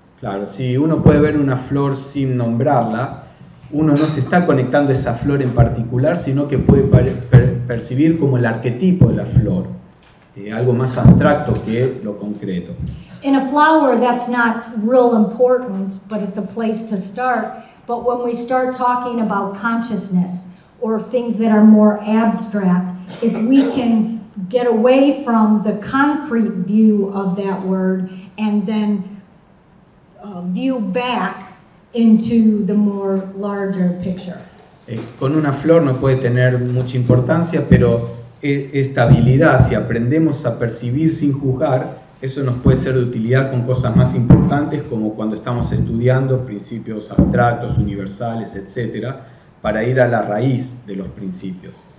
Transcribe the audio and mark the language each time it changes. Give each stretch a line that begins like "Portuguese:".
Spanish: Claro, si uno puede ver una flor sin nombrarla, uno no se está conectando a esa flor en particular, sino que puede percibir como el arquetipo de la flor, algo más abstracto que lo concreto.
English: In a flower, that's not real important, but it's a place to start. But when we start talking about consciousness or things that are more abstract, if we can get away from the concrete view of that word and then view back into the more larger picture.
Spanish: Con una flor no puede tener mucha importancia, pero esta habilidad, si aprendemos a percibir sin juzgar, eso nos puede ser de utilidad con cosas más importantes, como cuando estamos estudiando principios abstractos, universales, etc., para ir a la raíz de los principios.